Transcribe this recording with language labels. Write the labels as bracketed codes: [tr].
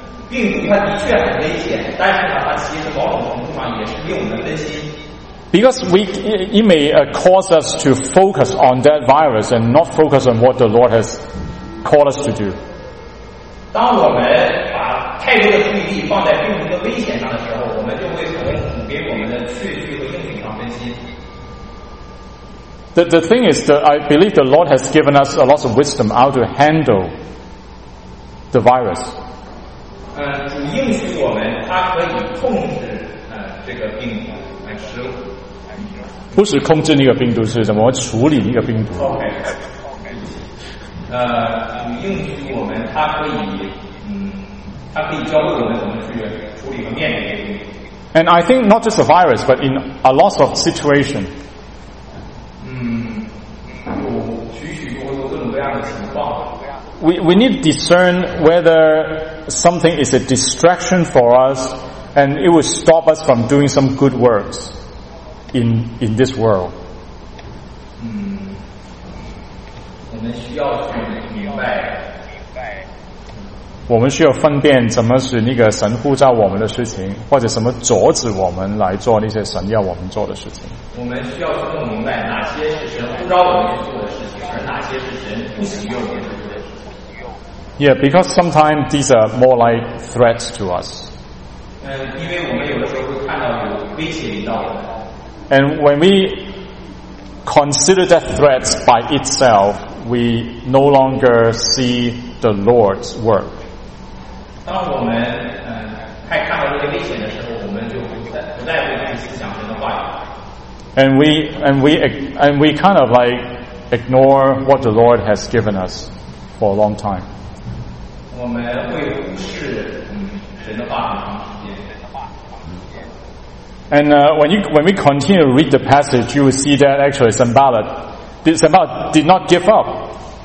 [zh] 病毒它的确很危险，但是呢，它其实某种程度上也是令我们分心。 [en] Because it may cause us to focus on that virus and not focus on what the Lord has called us to do. [zh] 当我们把太多的注意力放在病毒的危险上的时候，我们就会从给我们的确据和应许上分心。 [en] The thing is that I believe the Lord has given us a lot of wisdom how to handle the virus. [zh] 主应许我们他可以控制这个病毒来使用。不是控制那个病毒，是怎么处理那个病毒。 OK， 应许我们它可以，它可以教会我们怎么去处理和面对。 [en] And I think not just a virus, but in a lot of situation. [zh] 有许许多多各种各样的情况。 [en] We need to discern whether something is a distraction for us, and it will stop us from doing some good works. In this world. [zh] 我们需要去明白。我们需要分辨怎么是那个神呼召我们的事情，或者什么阻止我们来做那些神要我们做的事情。我们需要弄明白哪些是神呼召我们去做的事情，而哪些是神不喜悦我们去做的事情。 [en] Yeah, because sometimes these are more like threats to us. [zh] 因为我们有的时候会看到有威胁引导我们。 [en] And when we consider that threat by itself, we no longer see the Lord's work. [zh] 当我们太看到这个危险的时候，我们就不再去思想神的话语。 [en] And we kind of like ignore what the Lord has given us for a long time. [zh] 我们会忽视神的话语。 [en] And when we continue to read the passage, you will see that actually Sanballat did not give up.